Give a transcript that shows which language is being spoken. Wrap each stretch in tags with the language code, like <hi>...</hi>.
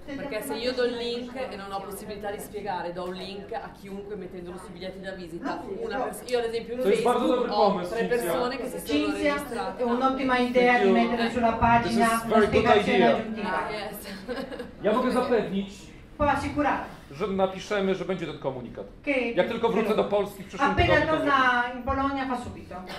<it>Perché se io do il link e non ho possibilità di spiegare, do un link a chiunque mettendolo sui biglietti da visita. Io ad esempio in Facebook ho tre persone che si sono registrate. È un'ottima idea di mettere sulla pagina una spiegazione aggiuntiva.</it> <pl>Ja mogę zapewnić.</pl> <it>Può assicurare.</it> <pl>Że napiszemy, że będzie ten komunikat. Jak tylko wrócę do Polski w przyszłym tygodniu.</pl> <it>Appena torna in Polonia fa subito.</it>